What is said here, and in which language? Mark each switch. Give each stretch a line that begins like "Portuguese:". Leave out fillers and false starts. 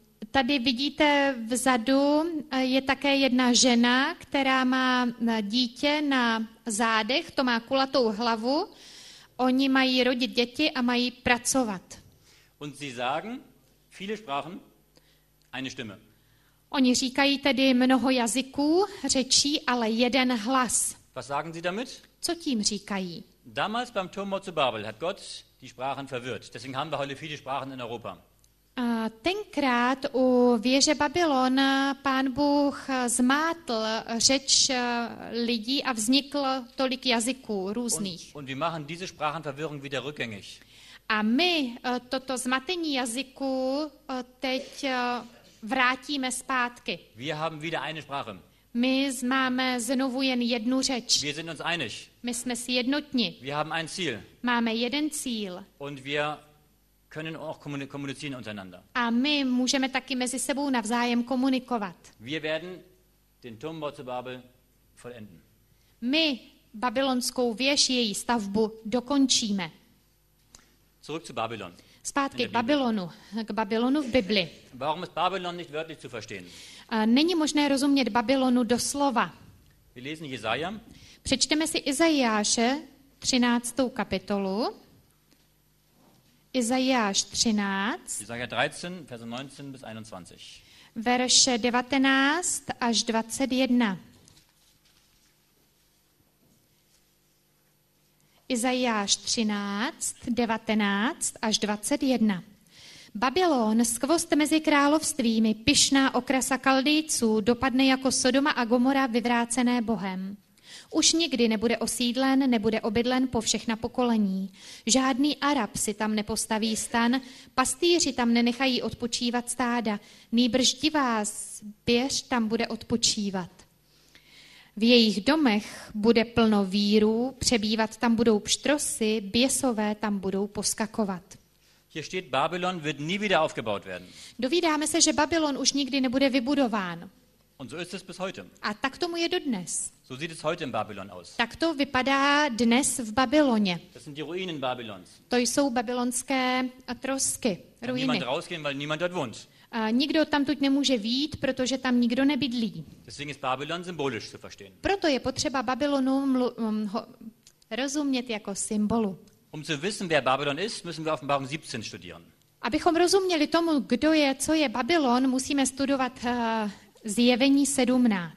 Czech: Tady vidíte vzadu, je také jedna žena, která má dítě na zádech, to má kulatou hlavu. Oni mají rodit děti a mají pracovat.
German: Und sie sagen, viele Sprachen, eine Stimme.
Czech: Oni říkají tedy mnoho jazyků, řečí, ale jeden hlas.
German: Was sagen sie damit?
Czech: Co tím říkají?
German: Damals beim Turm zu Babel hat Gott die Sprachen verwirrt. Deswegen haben wir heute viele Sprachen in Europa.
Czech: Tenkrát u věže Babylona pán Bůh zmátl řeč lidí a vznikl tolik jazyků různých.
German: Und wir machen diese Sprachenverwirrung wieder rückgängig.
Czech: A my toto zmatení jazyků teď vrátíme zpátky.
German: Wir haben wieder eine Sprache.
Czech: My máme znovu jen jednu řeč.
German: Wir sind uns einig.
Czech: My jsme si jednotní.
German: Wir haben ein Ziel.
Czech: Máme jeden cíl.
German: Und wir können auch kommunizieren untereinander.
Czech: A my můžeme taky mezi sebou navzájem komunikovat.
German: Wir werden den Turmbau zu Babel vollenden.
Czech: My babylonskou věž, její stavbu dokončíme.
German: Zurück zu Babylon.
Czech: Zpátky k Babylonu v Bibli.
German: Warum ist Babylon nicht wörtlich zu verstehen?
Czech: Není možné rozumět Babylonu doslova.
German: Wir lesen Jesaja.
Czech: Přečteme si Izajáše 13. kapitolu. Izajáš 13.
German: Izajáš 13, verse 19 bis 21.
Czech: Verše 19 až 21. Izajáš 13, 19 až 21. Babylon, skvost mezi královstvími, pyšná okrasa Kaldejců, dopadne jako Sodoma a Gomora vyvrácené Bohem. Už nikdy nebude osídlen, nebude obydlen po všechna pokolení. Žádný Arab si tam nepostaví stan, pastýři tam nenechají odpočívat stáda, nýbrž divá zběř tam bude odpočívat. V jejich domech bude plno vírů, přebývat tam budou pštrosy, běsové tam budou poskakovat.
German: Hier steht, Babylon wird nie wieder aufgebaut werden.
Czech: Dovídáme se, že Babylon už nikdy nebude vybudován.
German: Und so ist es bis heute.
Czech: A tak tomu je dodnes.
German: So sieht es heute in Babylon aus.
Czech: Tak to vypadá dnes v Babyloně.
German: Das sind die Ruinen Babylons.
Czech: To jsou babylonské trosky, ruiny.
German: Niemand rausgehen, weil niemand dort wohnt.
Czech: Nikdo tam tuď nemůže vyjít, protože tam nikdo nebydlí.
German: Deswegen ist Babylon symbolisch zu verstehen.
Czech: Proto je potřeba Babylonu rozumět jako symbolu.
German: Um zu wissen, wer Babylon ist, müssen wir Offenbarung 17 studieren.
Czech: Abychom rozuměli tomu, kdo je, co je Babylon, musíme studovat Zjevení 17.